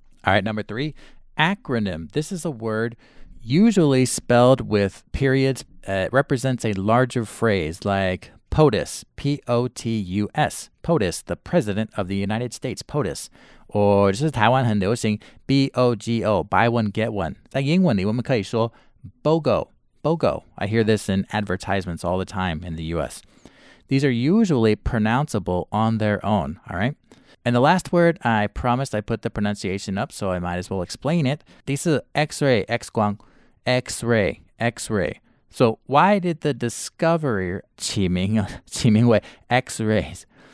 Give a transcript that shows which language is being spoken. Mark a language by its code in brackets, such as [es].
[en] All right, number three, acronym. This is a word usually spelled with periods. It represents a larger phrase like POTUS, P-O-T-U-S. POTUS, the President of the United States, POTUS. Or [zh] 这是台湾很流行, [en] B-O-G-O, buy one, get one. [zh] 在英文里我们可以说 BOGO, BOGO. [en] I hear this in advertisements all the time in the U.S. These are usually pronounceable on their own, all right? And the last word, I promised I put the pronunciation up, so I might as well explain it. 第四, X-ray, X-光, X-ray, X-ray. So why did the discoverer [zh] 起名为 [en] X-rays?